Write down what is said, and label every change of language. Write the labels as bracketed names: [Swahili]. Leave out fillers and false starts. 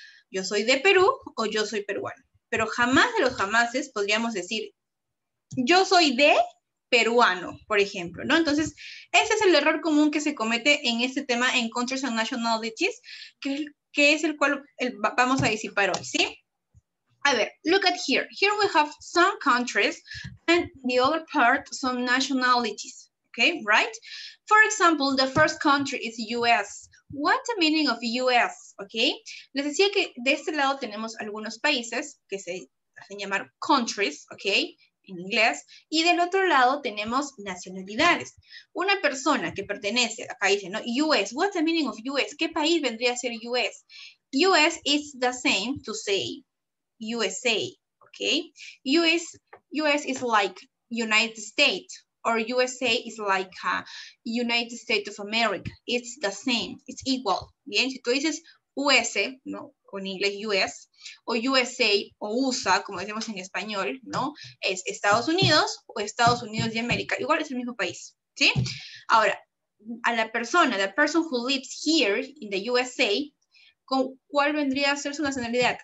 [Spanish] Yo soy de Perú o yo soy peruano. Pero jamás de los jamases podríamos decir, yo soy de peruano, por ejemplo, ¿no? Entonces, ese es el error común que se comete en este tema en Countries and Nationalities, que es el cual vamos a disipar hoy, ¿sí? A ver, [English] look at here. Here we have some countries and the other part some nationalities. Okay, right? For example, the first country is US. What's the meaning of US? Okay. [Spanish] Les decía que de este lado tenemos algunos países que se hacen llamar countries, okay, en inglés, y del otro lado tenemos nacionalidades. Una persona que pertenece a países, ¿no? [English] US, what's the meaning of US? [Spanish] ¿Qué país vendría a ser US? [English] US is the same to say USA, okay? US is like United States. Or USA is like United States of America. It's the same. It's equal. [Spanish] Bien, si tú dices US, ¿no? O en inglés US, o USA, o USA, como decimos en español, ¿no? Es Estados Unidos o Estados Unidos de América. Igual es el mismo país, ¿sí? Ahora, a la persona, [English] the person who lives here in the USA, [Spanish] ¿con cuál vendría a ser su nacionalidad?